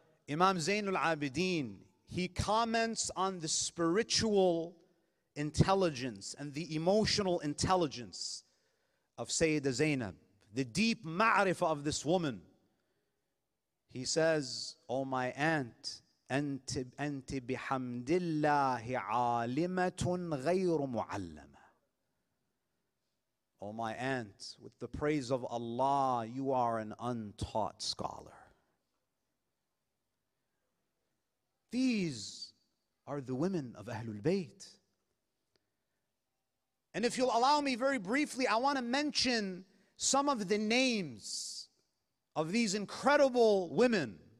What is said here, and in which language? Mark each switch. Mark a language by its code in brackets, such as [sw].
[en] Imam Zainul Abidin, he comments on the spiritual intelligence and the emotional intelligence of Sayyidah Zainab, the deep ma'rifah of this woman. He says, O my aunt, [ar] أنت بحمد الله عالمة غير معلمة. [en] O my aunt, with the praise of Allah, you are an untaught scholar. These are the women of Ahlul Bayt. And if you'll allow me very briefly, I want to mention some of the names of these incredible women.